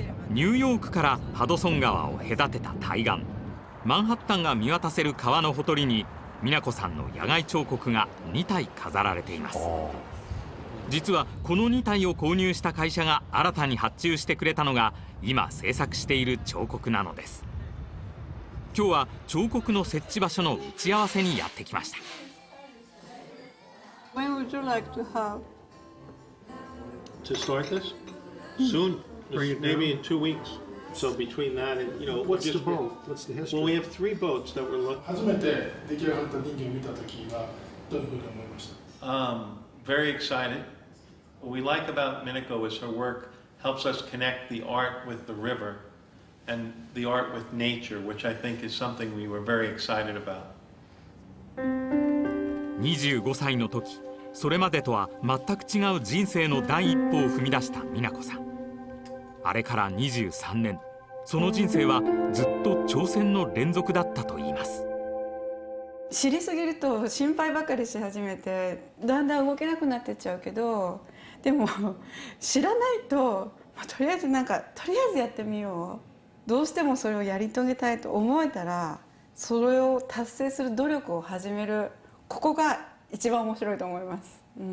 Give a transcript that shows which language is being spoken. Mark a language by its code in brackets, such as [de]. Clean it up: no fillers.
[ja] ニューヨークからハドソン川を隔てた対岸、マンハッタンが見渡せる川のほとりに美奈子さんの野外彫刻が2体飾られています。実はこの2体を購入した会社が新たに発注してくれたのが今制作している彫刻なのです。今日は彫刻の設置場所の打ち合わせにやってきました。 [en] When would you like to have? To start this? Soon. Maybe in 2 weeks. So between that and, you know, what's the boat? What's the history? Well, we have 3 boats that we're looking at. [ja] 初めて出来上がった人間を見たときはどういうふうに思いました？ [en] Very excited. What we like about Minako is her work helps us connect the art with the river and the art with nature, which I think is something we were very excited about. [ja] 25歳の時、それまでとは全く違う人生の第一歩を踏み出した美奈子さん。あれから23年、その人生はずっと挑戦の連続だったといいます。知りすぎると心配ばかりし始めてだんだん動けなくなってっちゃうけど、でも知らないと、まあ、とりあえずやってみよう、どうしてもそれをやり遂げたいと思えたらそれを達成する努力を始める、ここが一番面白いと思います。